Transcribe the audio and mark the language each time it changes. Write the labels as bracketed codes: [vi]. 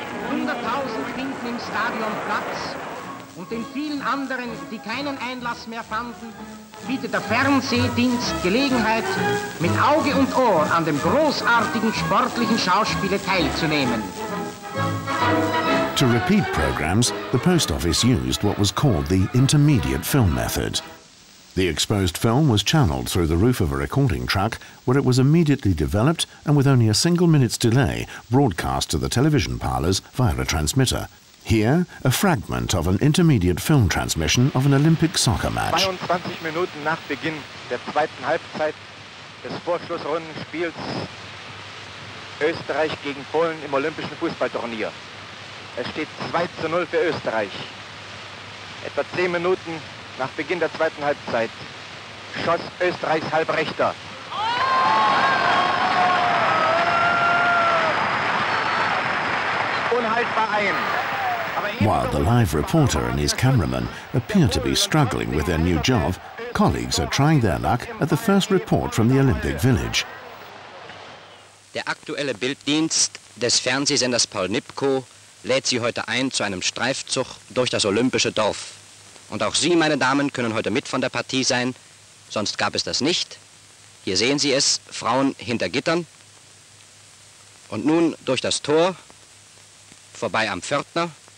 [de] 100.000 finden im Stadion Platz und den vielen anderen, die keinen Einlass mehr fanden, bietet der Fernsehdienst Gelegenheit, mit Auge und Ohr an dem großartigen sportlichen Schauspiel teilzunehmen. [en] To repeat programs, the post office used what was called the intermediate film method. The exposed film was channeled through the roof of a recording truck, where it was immediately developed and with only a single minute's delay broadcast to the television parlors via a transmitter. Here, a fragment of an intermediate film transmission of an Olympic soccer match. [de] 22 Minuten nach Beginn der zweiten Halbzeit des Vorschlussrundenspiels Österreich gegen Polen im Olympischen Fußballturnier. Es steht 2:0 für Österreich. Etwa 10 Minuten nach Beginn der zweiten Halbzeit schoss Österreichs Halbrechter. Unhaltbar ein. [en] While the live reporter and his cameraman appear to be struggling with their new job, colleagues are trying their luck at the first report from the Olympic Village. [de] Der aktuelle Bilddienst des Fernsehsenders Paul Nipko lädt Sie heute ein zu einem Streifzug durch das olympische Dorf. Und auch Sie, meine Damen, können heute mit von der Partie sein, sonst gab es das nicht. Hier sehen Sie es, Frauen hinter Gittern. Und nun durch das Tor, vorbei am Pförtner.